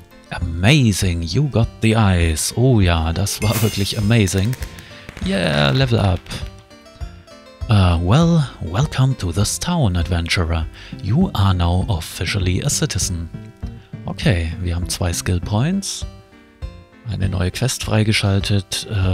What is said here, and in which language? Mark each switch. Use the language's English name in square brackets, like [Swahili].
[English] Amazing, you got the eyes. [German] Oh ja, das war wirklich amazing. [English] Yeah, level up. Well, welcome to this town, adventurer. You are now officially a citizen. [German] Okay, wir haben 2 Skill Points. Eine neue Quest freigeschaltet.